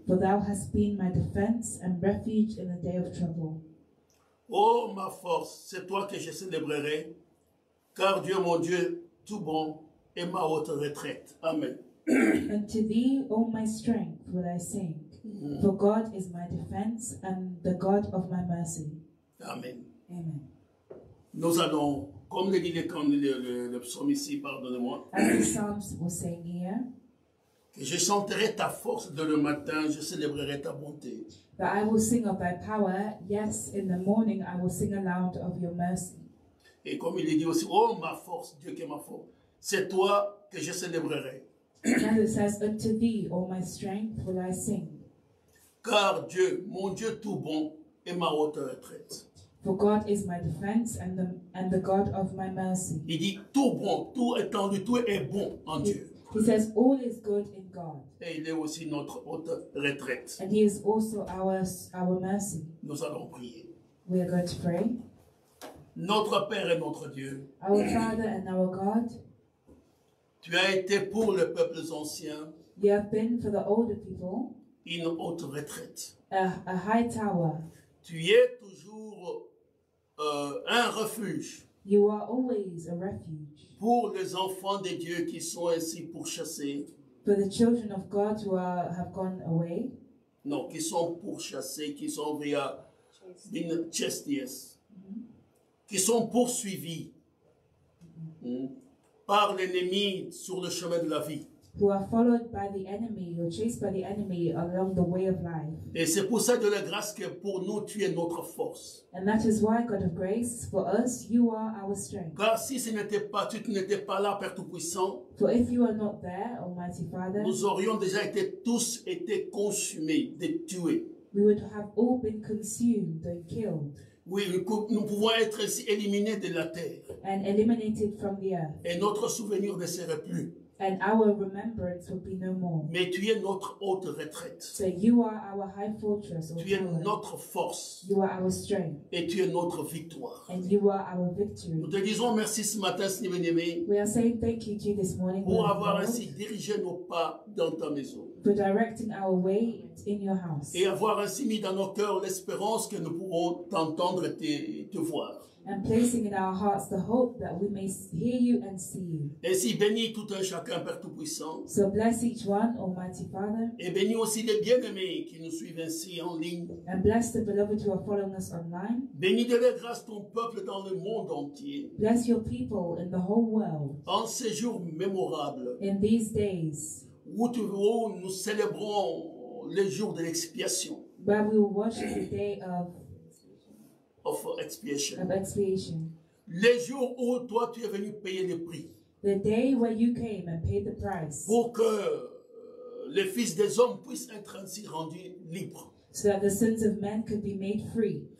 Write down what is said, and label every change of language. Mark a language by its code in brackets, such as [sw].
[en] For thou hast been my defense and refuge in the day of trouble. [fr] Oh ma force, c'est toi que je célébrerai. Car Dieu, mon Dieu, tout bon, est ma haute retraite. [en] Amen. And to thee, all my strength, will I sing. For God is my defense and the God of my mercy. Amen. Amen. [fr] Nous allons, comme le dit le psaume ici, pardonnez-moi. [en] As the psalms were saying here. [fr] Que je chanterai ta force de le matin, je célébrerai ta bonté. [en] That I will sing of thy power, yes, in the morning I will sing aloud of your mercy. [fr] Et comme il est dit aussi, oh ma force, Dieu qui est ma force, c'est toi que je célébrerai. [en] And it says, unto thee, all my strength, will I sing. [fr] Car Dieu, mon Dieu tout bon, est ma haute retraite. [en] For God is my defense and the God of my mercy. [fr] Il dit, tout bon, tout étendu, tout est bon en he, Dieu. [en] He says, all is good in God. [fr] Et il est aussi notre haute retraite. [en] And he is also our mercy. [fr] Nous allons prier. [en] We are going to pray. [fr] Notre Père et notre Dieu, [en] our Father and our God, [fr] tu as été pour les peuples anciens, [en] you have been for the older people, [fr] une haute retraite, [en] a high tower, [fr] tu es toujours un refuge, [en] you are always a refuge, [fr] pour les enfants de Dieu qui sont ainsi pourchassés, [en] for the children of God who are, have gone away, [fr] non, qui sont pourchassés, qui sont via une chastise, qui sont poursuivis par l'ennemi sur le chemin de la vie. [en] Who are followed by the enemy, or chased by the enemy along the way of life. [fr] Et c'est pour ça de la grâce que pour nous tu es notre force. [en] And that is why, God of grace, for us you are our strength. [fr] Car si ce n'était pas, tu n'étais pas là, Père Tout-Puissant. [en] For if you are not there, Almighty Father. [fr] Nous aurions déjà été tous été consumés, détruits. [en] We would have all been consumed and killed. [fr] Oui, nous pouvons être ainsi éliminés de la terre. [en] And eliminated from the earth. [fr] Et notre souvenir ne serait plus. [en] And our remembrance would be no more. [fr] Mais tu es notre haute retraite. [en] So you are our high fortress. [fr] Tu es notre force. [en] You are our strength. [fr] Et tu es notre victoire. [en] And you are our victory. [fr] Nous te disons merci ce matin, Seigneur bien-aimé. [en] We are saying thank you to you this morning. [fr] Pour avoir ainsi dirigé nos pas dans ta maison. [en] For directing our way in your house. [fr] Et avoir ainsi mis dans nos cœurs l'espérance que nous pourrons t'entendre et te voir. [en] And placing in our hearts the hope that we may hear you and see you. [fr] Et si bénis tout un chacun, Père Tout-Puissant. [en] So bless each one, Almighty Father. [fr] Et bénis aussi les bien-aimés qui nous suivent ainsi en ligne. [en] And bless the beloved who are following us online. [fr] Bénis de la grâce ton peuple dans le monde entier. [en] Bless your people in the whole world. [fr] En ces jours mémorables. [en] In these days. [fr] Où nous célébrons les jours de l'expiation. [en] Where we will worship the day of. Of expiation. Of expiation. [fr] Les jours où toi tu es venu payer le prix. [en] The day where you came and paid the price. [fr] Pour que les fils des hommes puissent être ainsi rendus libres. [en] So that the sins of men could be made free.